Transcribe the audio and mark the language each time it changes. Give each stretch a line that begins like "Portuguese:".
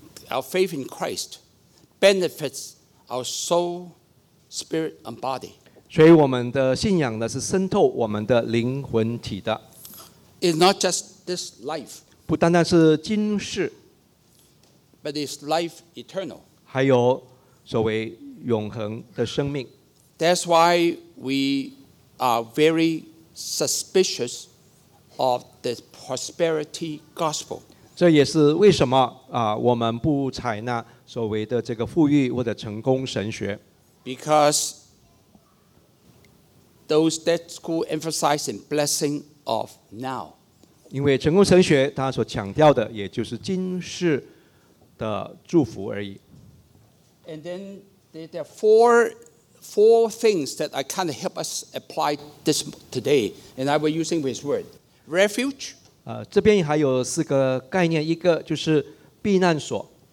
English: Our faith in Christ benefits our soul, spirit, and body.
Chinese: 所以我们的信仰呢，是渗透我们的灵魂体的。
English: It's not just this life.
Chinese: 不单单是今世
English: ，but it's life eternal.
Chinese: 还有所谓永恒的生命。
English: That's why we are very suspicious of the prosperity gospel.
Chinese: 这也是为什么我们不采纳所谓的这个富裕或者成功神学。
English: Because those that school emphasize in blessing of now.
Chinese: 因为成功神学它所强调的也就是今世的祝福而已。
English: And then there are four things that I kind of help us apply this today, and I will using this word refuge.
Chinese: 这边还有四个概念，一个就是避难所